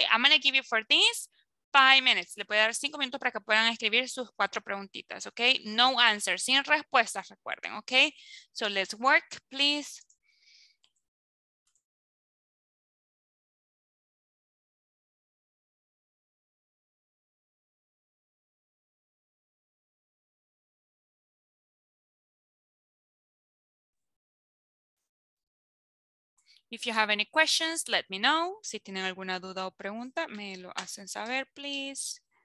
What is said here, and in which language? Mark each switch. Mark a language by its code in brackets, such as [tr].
[en] I'm going to give you for this 5 minutes. [es] Le voy a dar 5 minutos para que puedan escribir sus 4 preguntitas, ¿ok? [en] No answer, [es] sin respuestas, recuerden, [en] ¿ok? So let's work, please. If you have any questions, let me know. [es] Si tienen alguna duda o pregunta, me lo hacen saber, please.